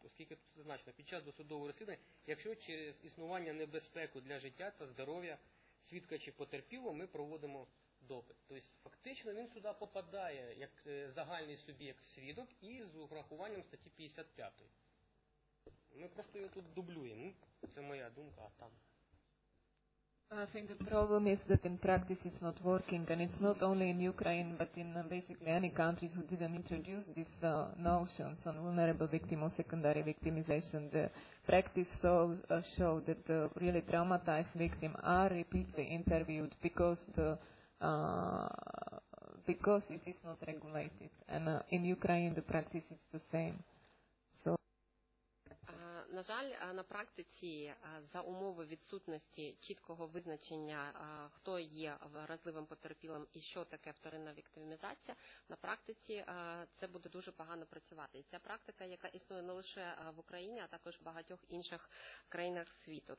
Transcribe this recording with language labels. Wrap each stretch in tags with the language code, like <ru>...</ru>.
<uk>Оскільки тут значно, під час досудового розслідування, якщо через існування небезпеки для життя та здоров'я свідка чи потерпілого, ми проводимо допит. Тобто фактично він сюди попадає як загальний суб'єкт свідок і з урахуванням статті 55. Ми просто його тут дублюємо. Це моя думка, а там.</uk> <en>I think the problem is that in practice it's not working, and it's not only in Ukraine, but in basically any countries who didn't introduce these notions on vulnerable victim or secondary victimization. The practice showed that the really traumatized victims are repeatedly interviewed because it is not regulated. And in Ukraine the practice is the same.</en> <uk>На жаль, на практиці, за умови відсутності чіткого визначення, хто є вразливим потерпілим і що таке вторинна віктимізація, на практиці це буде дуже погано працювати. І ця практика, яка існує не лише в Україні, а також в багатьох інших країнах світу.</uk>